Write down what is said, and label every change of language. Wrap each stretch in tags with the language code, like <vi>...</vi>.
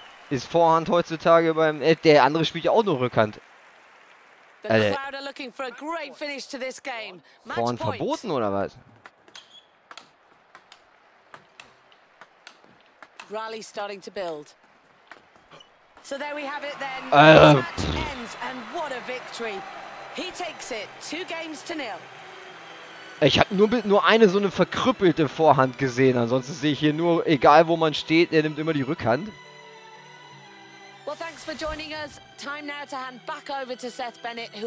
<de>Ist Vorhand heutzutage beim der andere spielt ja auch nur Rückhand.</de> <en>The crowd are looking for a great finish to this game.</en> <de>Vorhand verboten oder was?</de> <en>Rally starting to build. So there we have it then. Ends and what a victory. He takes it, 2-0.</en> <de>Ich habe nur eine so eine verkrüppelte Vorhand gesehen. Ansonsten sehe ich hier nur, egal wo man steht, er nimmt immer die Rückhand.</de> <en>Well, thanks for joining us. Time now to hand back over to Seth Bennett, who</en>